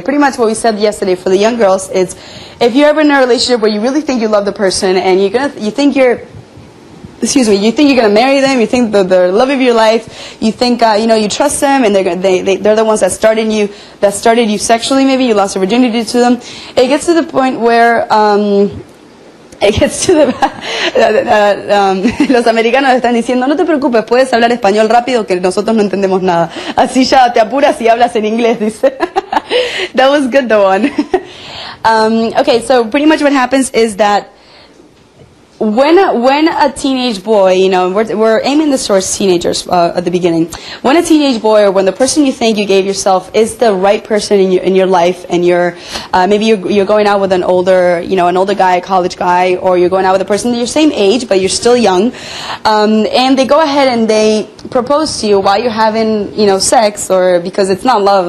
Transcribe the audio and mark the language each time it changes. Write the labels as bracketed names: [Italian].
[English] Pretty much what we said yesterday for the young girls is, if you're ever in a relationship where you really think you love the person and you think you're gonna marry them, you think the love of your life, you think you know, you trust them and they're the ones that started you sexually, maybe you lost your virginity to them, it gets to the point where [Spanish] los americanos están diciendo, no te preocupes, puedes hablar español rápido, que nosotros no entendemos nada. Así ya te apuras y hablas en inglés, dice. [English] That was good, the one. Okay, so pretty much what happens is that when a teenage boy, you know, we're aiming this towards teenagers at the beginning. When a teenage boy, or when the person you think you gave yourself is the right person in your life, and maybe you're going out with an older, you know, an older guy, a college guy, or you're going out with a person your same age but you're still young, and they go ahead and they propose to you while you're having, you know, sex, or because it's not love.